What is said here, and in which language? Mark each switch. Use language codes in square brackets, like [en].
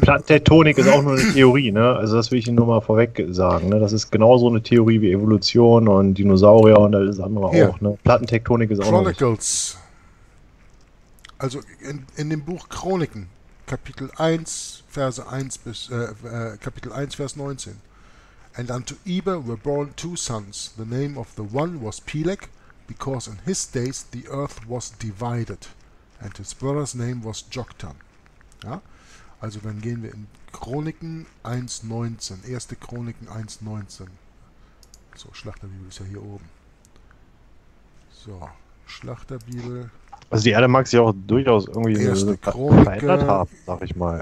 [de] Gut, die Tektonik ist auch nur eine Theorie, ne? Also das will ich nur mal vorweg sagen, ne? Das ist genauso eine Theorie wie Evolution und Dinosaurier und alles andere hier. Auch, ne? Plattentektonik ist [en] Chronicles. [de] Auch [en] Chronicles. [de] Also in dem Buch Chroniken, Kapitel 1, Verse 1 bis Kapitel 1, Vers 19. [en] And unto Eber were born two sons. The name of the one was Pelek, because in his days the earth was divided. And his brother's name was Joktan. [de] Ja? Also dann gehen wir in Chroniken 1,19. 1. Chroniken 1,19. So, Schlachterbibel ist ja hier oben. So, Schlachterbibel. Also die Erde mag sich auch durchaus irgendwie verändert haben, sag ich mal.